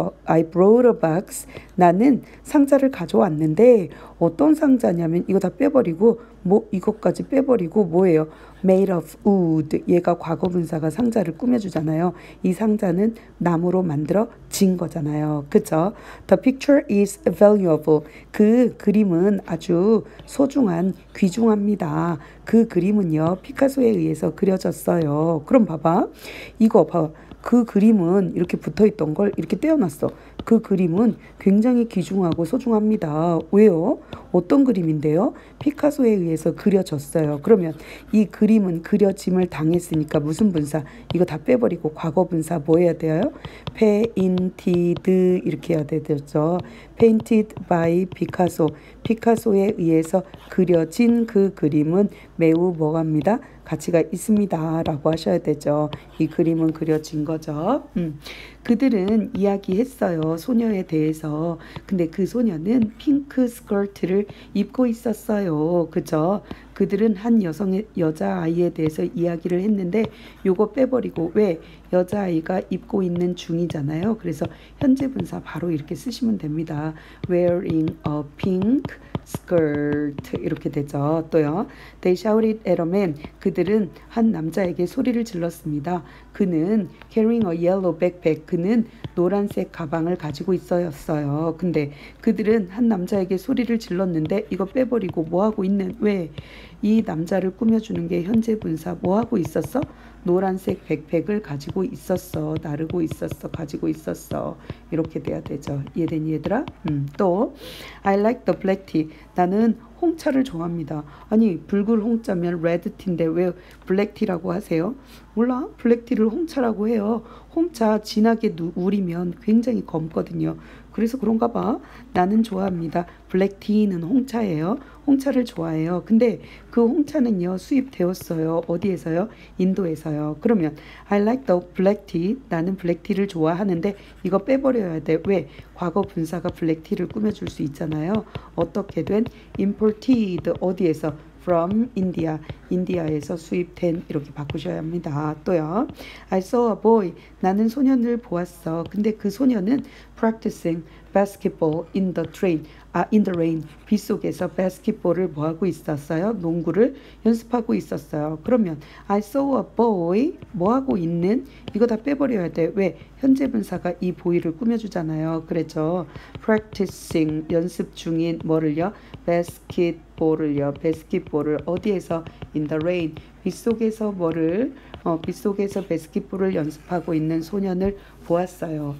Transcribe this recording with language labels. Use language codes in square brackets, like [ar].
[en] I brought a box. [ko] 나는 상자를 가져왔는데 어떤 상자냐면 이거 다 빼버리고 뭐 이것까지 빼버리고 뭐예요? [en] made of wood. [ko] 얘가 과거분사가 상자를 꾸며주잖아요. 이 상자는 나무로 만들어진 거잖아요. 그죠? [en] The picture is valuable. [ko] 그 그림은 아주 소중한, 귀중합니다. 그 그림은요, 피카소에 의해서 그려졌어요. 그럼 봐봐. 이거 봐. 그 그림은 이렇게 붙어있던 걸 이렇게 떼어놨어. 그 그림은 굉장히 귀중하고 소중합니다. 왜요? 어떤 그림인데요? 피카소에 의해서 그려졌어요. 그러면 이 그림은 그려짐을 당했으니까 무슨 분사? 이거 다 빼버리고 과거분사 뭐 해야 돼요? painted 이렇게 해야 되겠죠. [en] painted by 피카소. [ko] 피카소에 의해서 그려진 그 그림은 매우 뭐 갑니다? 가치가 있습니다. 라고 하셔야 되죠. 이 그림은 그려진 거죠. 그들은 이야기했어요. 소녀에 대해서. 근데 그 소녀는 핑크 스커트를 입고 있었어요. 그죠? 그들은 한 여성의 여자아이에 대해서 이야기를 했는데 요거 빼버리고 왜? 여자아이가 입고 있는 중이잖아요. 그래서 현재 분사 바로 이렇게 쓰시면 됩니다. [en] wearing a pink skirt [ko] 이렇게 되죠. 또요. [en] They shouted at a man. [ko] 그들은 한 남자에게 소리를 질렀습니다. 그는 [en] carrying a yellow backpack. [ko] 그는 노란색 가방을 가지고 있었어요. 근데 그들은 한 남자에게 소리를 질렀는데 이거 빼버리고 뭐 하고 있는? 왜? 이 남자를 꾸며주는 게 현재 분사. 뭐 하고 있었어? 노란색 백팩을 가지고 있었어. 나르고 있었어. 가지고 있었어. 이렇게 돼야 되죠. 이해된 얘들아? [en] 또 I like the black tea. [ko] 나는 홍차를 좋아합니다. 아니 붉은 홍차면 레드 티인데 왜 블랙 티라고 하세요? 몰라. 블랙 티를 홍차라고 해요. 홍차 진하게 우리면 굉장히 검거든요. 그래서 그런가 봐. 나는 좋아합니다. 블랙 티는 홍차예요. 홍차를 좋아해요. 근데 그 홍차는요 수입되었어요. 어디에서요? 인도에서요. [en] 그러면 I like the black tea. [ko] 나는 블랙 티를 좋아하는데 이거 빼버려야 돼. 왜? 과거 분사가 블랙 티를 꾸며줄 수 있잖아요. 어떻게 된? Imported. 어디에서? [en] from India. [ko] 인디아에서 수입된 이렇게 바꾸셔야 합니다. 또요. [en] I saw a boy. [ko] 나는 소년을 보았어. 근데 그 소년은 [en] practicing basketball in the train. 아, in the rain. [ko] 비 속에서 basketball을 뭐 하고 있었어요? 농구를 연습하고 있었어요. [en] 그러면 I saw a boy. [ko] 뭐 하고 있는? 이거 다 빼버려야 돼. 왜? 현재 분사가 이 보이를 꾸며주잖아요. 그렇죠? practicing 연습 중인 뭐를요? basketball을요. basketball을 어디에서? [en] In the rain, [ko] 빗속에서 뭐를 빗속에서 배스킷볼을 연습하고 있는 소년을 보았어요.